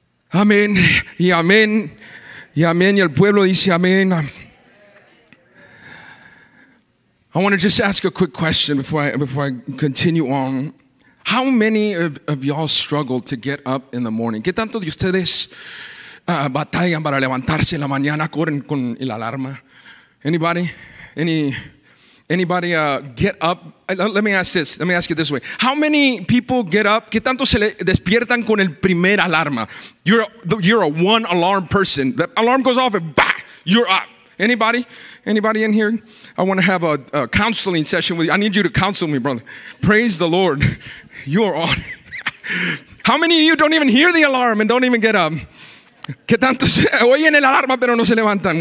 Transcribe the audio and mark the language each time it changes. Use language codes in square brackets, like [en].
[es] Amén y amén y amén. Y el pueblo dice amén. [en] I want to just ask a quick question before I continue on. How many of y'all struggle to get up in the morning? [es] ¿Qué tanto de ustedes batallan para levantarse en la mañana? ¿Corren con la alarma? [en] Anybody? Anybody get up? Let me ask this. Let me ask it this way. How many people get up? [es] ¿Qué tanto se despiertan con el primer alarma? [en] You're a one alarm person. The alarm goes off and bah, you're up. Anybody? Anybody in here? I want to have a counseling session with you. I need you to counsel me, brother. Praise the Lord. You are on. How many of you don't even hear the alarm and don't even get up? [es] ¿Qué tanto se oyen el alarma pero no se levantan?